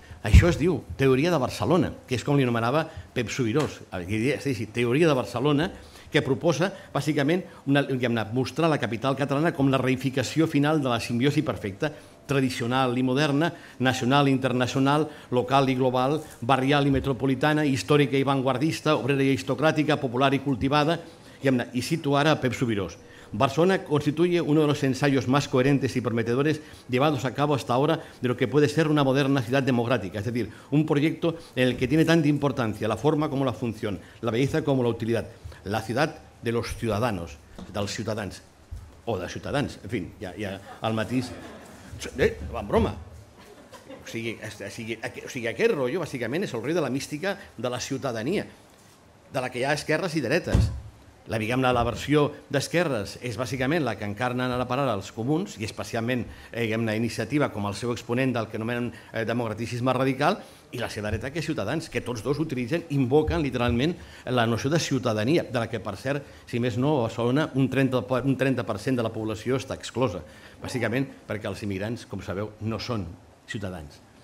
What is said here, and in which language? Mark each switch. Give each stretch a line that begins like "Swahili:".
Catalan: Això es diu teoria de Barcelona, que és com li anomenava Pep Subirós, teoria de Barcelona, que proposa bàsicament mostrar la capital catalana com la reificació final de la simbiosi perfecta tradicional i moderna, nacional i internacional, local i global, barrial i metropolitana, històrica i vanguardista, obrera i aristocràtica, popular i cultivada, i cito ara Pep Subirós.
Spanish: Barcelona constituye uno de los ensayos más coherentes y prometedores llevados a cabo hasta ahora de lo que puede ser una moderna ciudad democrática, es decir, un proyecto en el que tiene tanta importancia la forma como la función, la belleza como la utilidad, la ciudad de los ciudadanos,
Catalan: dels ciutadans, o de ciutadans, en fi, ja al matís... Va en broma. O sigui, aquest rotllo bàsicament és el rotllo de la mística de la ciutadania, de la que hi ha esquerres i dretes. La versió d'esquerres és bàsicament la que encarnen ara per ara els comuns i especialment una iniciativa com el seu exponent del que anomenen democraticisme radical, i la seva dreta que és Ciutadans, que tots dos utilitzen, invoquen literalment la noció de ciutadania, de la que per cert, si més no, a Barcelona un 30% de la població està exclosa, bàsicament perquè els immigrants, com sabeu, no són ciutadans.